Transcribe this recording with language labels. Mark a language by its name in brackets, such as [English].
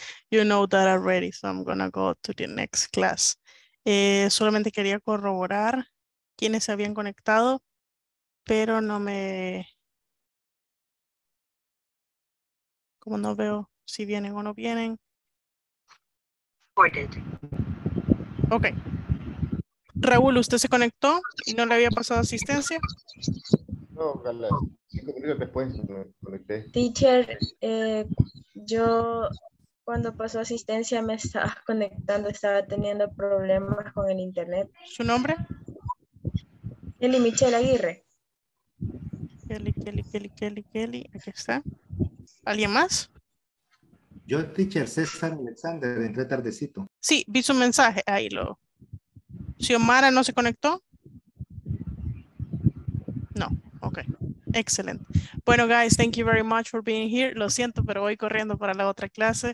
[English] You know that already, so I'm gonna go to the next class. [Spanish] Solamente quería corroborar quiénes se habían conectado, pero no me... Como no veo si vienen o no vienen. Ok. Raúl, ¿usted se conectó y no le había pasado asistencia? No, Carla. 5 minutos después me conecté. Teacher, yo cuando pasó asistencia me estaba conectando, estaba teniendo problemas con el internet. ¿Su nombre? Kelly Michelle Aguirre. Kelly, aquí está. ¿Alguien más? Yo, teacher César Alexander, entré tardecito. Sí, vi su mensaje, ahí lo... Xiomara no se conectó. No, ok. Excellent. [English] Bueno, guys, thank you very much for being here. [Spanish] Lo siento, pero voy corriendo para la otra clase.